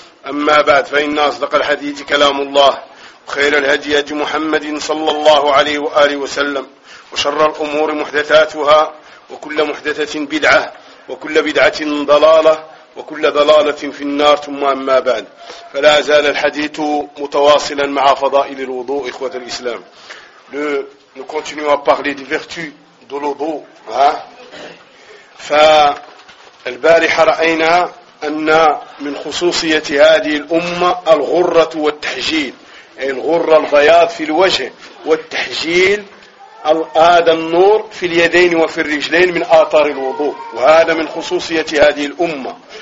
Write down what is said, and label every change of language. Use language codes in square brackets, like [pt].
[ar] أما بعد، فإن أصدق الحديث كلام الله، خير الهدي هدي محمد صلى الله عليه وآله وسلم، وشر الأمور محدثاتها، وكل محدثة بدعة، وكل بدعة ضلالة، وكل ضلالة في النار. ثم أما بعد، فلا زال الحديث متواصلا مع فضائل الوضوء. إخوة الإسلام، [fr] nous continuons à parler des vertus de l'eau. [ar] فالبارحة رأينا أن من خصوصية هذه الأمة الغرة والتحجيل، الغرة البياض في الوجه، والتحجيل هذا النور في اليدين وفي الرجلين من آثار الوضوء، وهذا من خصوصية هذه الأمة.